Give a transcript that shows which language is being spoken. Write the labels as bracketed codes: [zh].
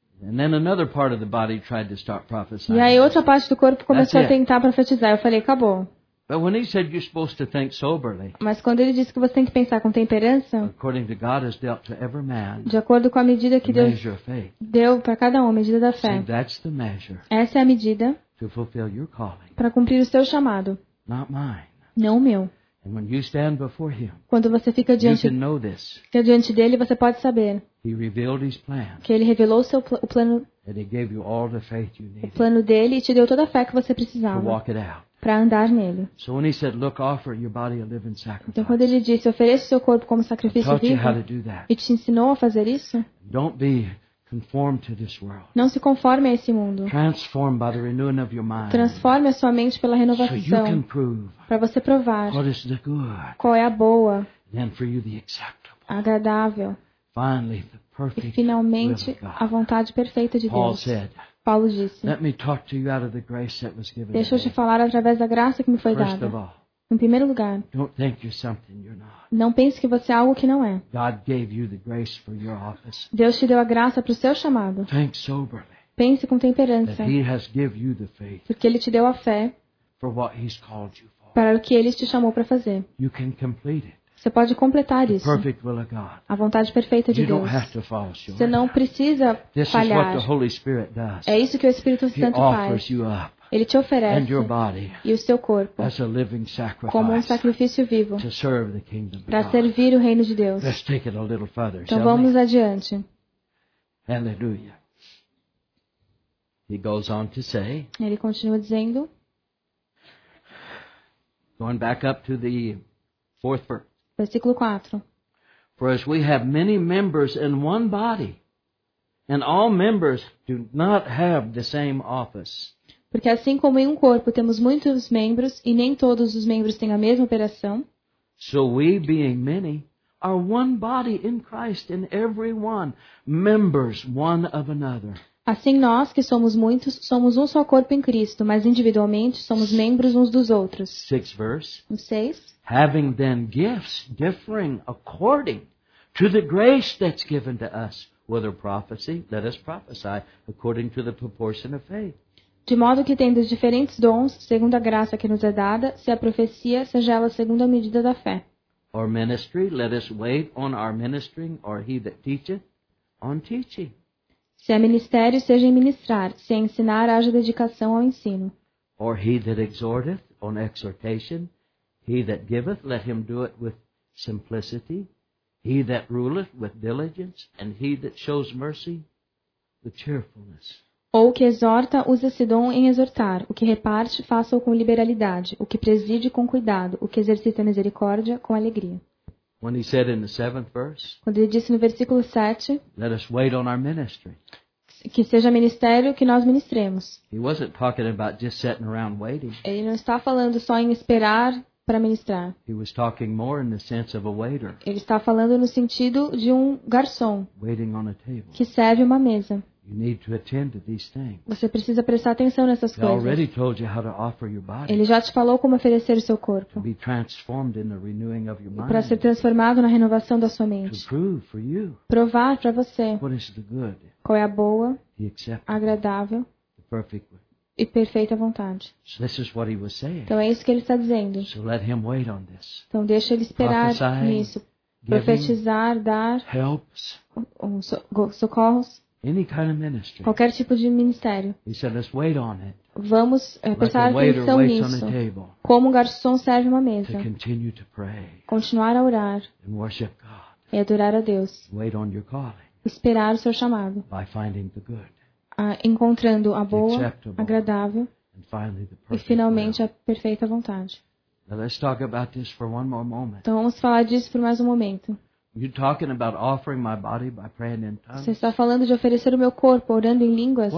[en] And then another part of the body tried to start prophesying. [pt] E aí outra parte do corpo começou a tentar profetizar. Eu falei, acabou. [en] But when he said you're supposed to think soberly. [pt] Mas quando ele disse que você tem que pensar com temperança. [en] According to God has dealt to every man. [pt] De acordo com a medida que Deus deu para cada um, a medida da fé. [en] See, that's the measure. [pt] Essa é a medida. [en] To fulfill your calling. [pt] Para cumprir o seu chamado. [en] Not mine. [pt] Não o meu. [en] And when you stand before him, [pt] quando você fica diante, [en] you can know this, [pt] fica diante dele, você pode saber [en] he revealed his plan, [pt] que ele revelou o seu o plano, [en] and he gave you all the faith you needed, [pt] o plano dele e te deu toda a fé que você precisava [en] to walk it out. [pt] Para andar nele. [en] So when he said, look, offer your body a living sacrifice. [pt] Então quando ele disse, ofereça o seu corpo como sacrifício vivo, [en] I taught you how to do that. [pt] E te ensinou a fazer isso, [en] don't be conform to this world. [pt] Não se conforme a esse mundo. [en] Transform by the renewing of your mind. [pt] Transforme a sua mente pela renovação. [en] So you can prove. [pt] Para você provar. [en] What is the good? [pt] Qual é a boa? [en] Then for you the acceptable. [pt] Agradável. [en] Finally the perfect. [pt] E finalmente [en] will of God. [pt] A vontade perfeita de [en] Paul [pt] Deus. [en] Said, [pt] Paulo disse. [en] Let me talk to you out of the grace that was given. [pt] Deixa eu te falar através da graça que me foi [en] First [pt] dada. [en] Of all, [pt] em primeiro lugar, [en] don't think you're something you're not. [pt] Não pense que você é algo que não é. [en] God gave you the grace for your office. [pt] Deus te deu a graça para o seu chamado. [en] Think soberly. [pt] Pense com temperança. [en] That he has given you the faith. [pt] Porque ele te deu a fé. [en] For what he's called you for. [pt] Para o que ele te chamou para fazer. [en] You can complete it. [pt] Você pode completar isso. [en] The perfect will of God. [pt] A vontade perfeita de [en] you [pt] Deus. [en] Don't have to fall short. [pt] Você não precisa [en] This [pt] falhar. [en] Is what the Holy Spirit does. [pt] É isso que o Espírito Santo [en] he [pt] faz. [en] Offers you up. [pt] Ele te oferece [en] and your body [pt] e o seu corpo [en] as a living sacrifice [pt] como um sacrifício vivo [en] to serve the kingdom [pt] para servir o reino de Deus. [en] Let's take it a little further, [pt] então vamos adiante. [en] Aleluia. He goes on to say, [pt] ele continua dizendo, [en] going back up to the fourth verse, [pt] versículo 4. [en] For as we have many members in one body, and all members do not have the same office. [pt] Porque assim como em um corpo temos muitos membros e nem todos os membros têm a mesma operação. [en] So we, being many, are one body in Christ, and every one members one of another. [pt] Assim nós, que somos muitos, somos um só corpo em Cristo, mas individualmente somos membros uns dos outros. [en] Sixth verse. [pt] O 6. [en] Having then gifts differing according to the grace that's given to us, whether prophecy, let us prophesy according to the proportion of faith. [pt] De modo que, tendo diferentes dons, segundo a graça que nos é dada, se a profecia, seja ela segundo a medida da fé. [en] Or ministry, let us wait on our ministering, or he that teacheth, on teaching. [pt] Se é ministério, seja em ministrar. Se é ensinar, haja dedicação ao ensino. [en] Or he that exhorteth, on exhortation. He that giveth, let him do it with simplicity. He that ruleth, with diligence. And he that shows mercy, with cheerfulness. [pt] Ou que exorta, usa esse dom em exortar. O que reparte, faça-o com liberalidade. O que preside, com cuidado. O que exercita a misericórdia, com alegria. [en] When he said in the seventh verse, [pt] quando ele disse no versículo 7, [en] let us wait on our ministry. [pt] Que seja ministério que nós ministremos. [en] He wasn't talking about just sitting around waiting. [pt] Ele não está falando só em esperar para ministrar. [en] He was talking more in the sense of a waiter. [pt] Ele está falando no sentido de um garçom [en] waiting on a table. [pt] Que serve uma mesa. [en] You need to attend to these things. [pt] Você precisa prestar atenção nessas coisas. [en] He already told you how to offer your body. [pt] Ele já te falou como oferecer o seu corpo. [en] To be transformed in the renewing of your mind. [pt] Para ser transformado na renovação da sua mente. [en] To prove for you. [pt] Provar para você. [en] What is the good? [pt] Qual é a boa? [en] He accepted. [pt] Agradável. [en] The perfect will. [pt] E perfeita vontade. [en] So this is what he was saying. [pt] Então é isso que ele está dizendo. [en] So let him wait on this. [pt] Então deixa ele esperar nisso. Profetizar, dar. [en] Helps. [pt] Socorros. [en] Any kind of ministry. [pt] Qualquer tipo de ministério. [en] He said, let's wait on it. [pt] Vamos prestar atenção nisso. Como um garçom serve uma mesa. [en] To continue to pray. [pt] Continuar a orar. [en] And worship God. [pt] E adorar a Deus. [en] Wait on your calling. [pt] Esperar o seu chamado. [en] By finding the good. [pt] Encontrando a boa, [en] acceptable, [pt] agradável. [en] And finally the [pt] e finalmente [en] will. [pt] A perfeita vontade. [en] Now let's talk about this for one more moment. [pt] Então vamos falar disso por mais um momento. [en] You're talking about offering my body by praying in tongues. [pt] Você está falando de oferecer o meu corpo orando em línguas?